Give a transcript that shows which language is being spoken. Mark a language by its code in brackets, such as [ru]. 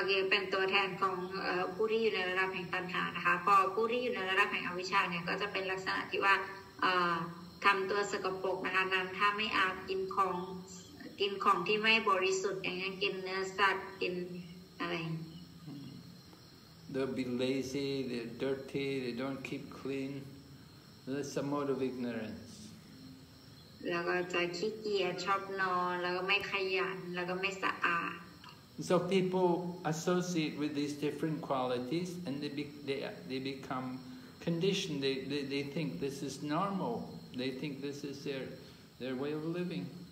[th] เป็นตัวแทนของผู้ที่อยู่ในระดับแห่งตัณหานะคะพอผู้ที่อยู่ในระดับแห่งอวิชชาเนี่ยก็จะเป็นลักษณะที่ว่าทำตัวสกปรกนะคะนั้นถ้าไม่อาบกินของกินของที่ไม่บริสุทธิ์อย่างเงี้ยกินเนื้อสัตว์กินอะไร [en] They'll be lazy, they're dirty, they don't keep clean. That's a mode of ignorance. [th] แล้วก็จะขี้เกียจชอบนอนแล้วก็ไม่ขยันแล้วก็ไม่สะอาด [en] So people associate with these different qualities and they become conditioned. They think this is normal. They think this is their way of living.